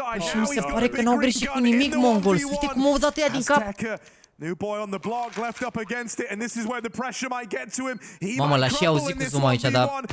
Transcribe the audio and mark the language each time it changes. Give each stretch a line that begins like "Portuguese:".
Romanian: Și mi se pare că n-au greșit cu nimic Mongols. Uite cum au dat ea din cap.
English: New boy on the block, left up against it, and this is where the pressure might get to him.
Romanian: Mama, l-a și auzit cu zoom aici, dar...